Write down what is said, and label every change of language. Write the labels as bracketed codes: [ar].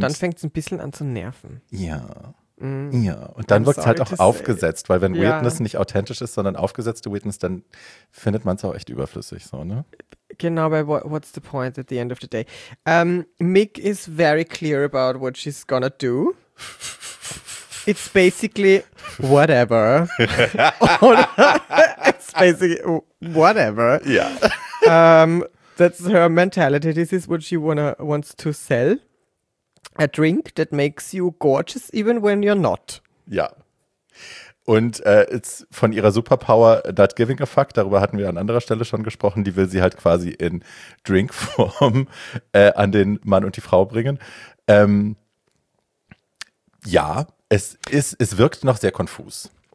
[de] dann fängt es ein bisschen an zu nerven. Ja. Ja, und dann wird es halt auch aufgesetzt, weil wenn Weirdness nicht authentisch ist, sondern aufgesetzte Weirdness, dann findet man es auch echt überflüssig, so, ne? [en] Genau, but what's the point at the end of the day? Mick is very clear about what she's gonna do. It's basically whatever. It's basically whatever. Yeah. That's her mentality. This is what she wants to sell. A drink that makes you gorgeous even when you're not. [de] Ja. Und it's von ihrer Superpower [en] not giving a fuck, [de] darüber hatten wir an anderer Stelle schon gesprochen, die will sie halt quasi in Drinkform an den Mann und die Frau bringen. Ja, es wirkt noch sehr konfus.